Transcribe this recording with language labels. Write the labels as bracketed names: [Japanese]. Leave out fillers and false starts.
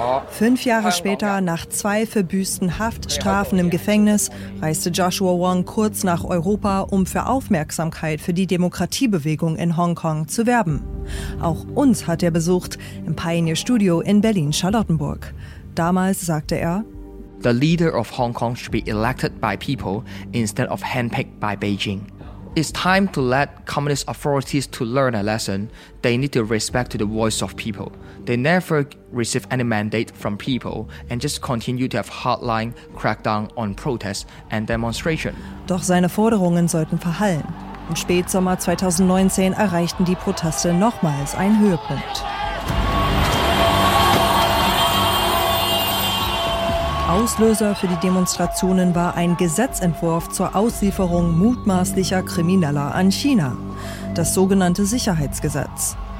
[German] 5 Jahre später, nach 2 verbüßten Haftstrafen im Gefängnis, reiste Joshua Wong kurz nach Europa, um für Aufmerksamkeit für die Demokratiebewegung in Hongkong zu werben. Auch uns hat er besucht, im Pioneer Studio in Berlin-Charlottenburg. Damals sagte er: [English] The leader of Hong Kong should be elected by people instead of handpicked by Beijing. It's time to let communist authorities to learn a lesson. They need to respect the voice of people. They never receive any mandate from people and just continue to have hardline crackdown on protests and demonstration. [German] Doch seine Forderungen sollten verhallen. Im Spätsommer 2019 erreichten die Proteste nochmals einen Höhepunkt. Auslöser für die Demonstrationen war ein Gesetzentwurf zur Auslieferung mutmaßlicher Krimineller an China, das sogenannte Sicherheitsgesetz.